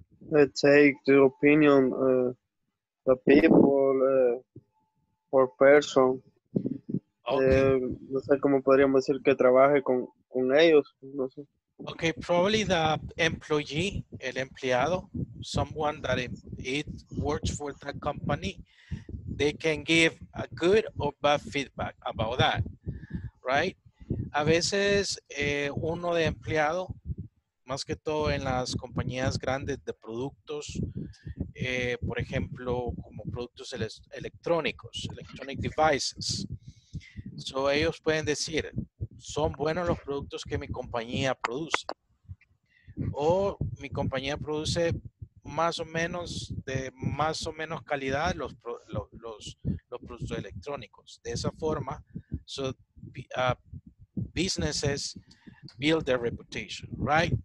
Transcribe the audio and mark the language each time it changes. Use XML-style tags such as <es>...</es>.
<en>They take the opinion of the people or person. Okay.</en> <es>No sé cómo podríamos decir que trabaje con ellos, no sé.</es> <en>Okay, probably the employee,</en> <es>el empleado,</es> <en>someone that it works for that company, they can give a good or bad feedback about that, right?</en> <es>A veces uno de empleado, más que todo en las compañías grandes de productos, por ejemplo, como productos electrónicos,</es> <en>electronic devices. So</en> <es>ellos pueden decir, son buenos los productos que mi compañía produce. O mi compañía produce más o menos, de más o menos calidad, los productos electrónicos. De esa forma,</es> <en>so businesses build their reputation, right?</en>